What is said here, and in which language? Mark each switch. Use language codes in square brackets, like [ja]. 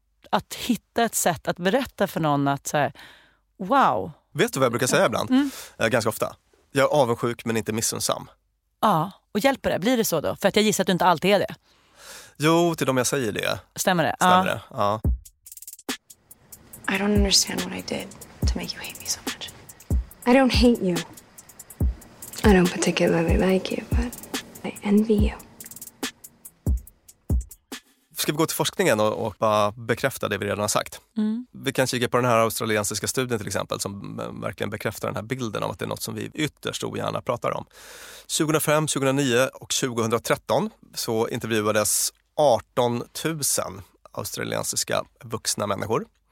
[sv] Att hitta ett sätt att berätta för någon att så här, wow. Vet du vad jag brukar säga ibland? Mm. Ganska ofta. Jag är avundsjuk men inte missunnsam. Ja, och hjälper det. Blir det så då? För att jag gissar att du inte alltid är det. Jo, till dem jag säger det. Stämmer det? Stämmer det, ja. [en] I don't understand what I did to make you hate me so much. I don't hate you. I don't particularly like you, but I envy you. [sv] Ska vi gå till forskningen och bara bekräfta det vi redan har sagt? Mm. Vi kan kika på den här australiensiska studien till exempel som verkligen bekräftar den här bilden av att det är något som vi ytterst ogärna pratar om. 2005, 2009 och 2013 så intervjuades 18 000 australiensiska vuxna människor.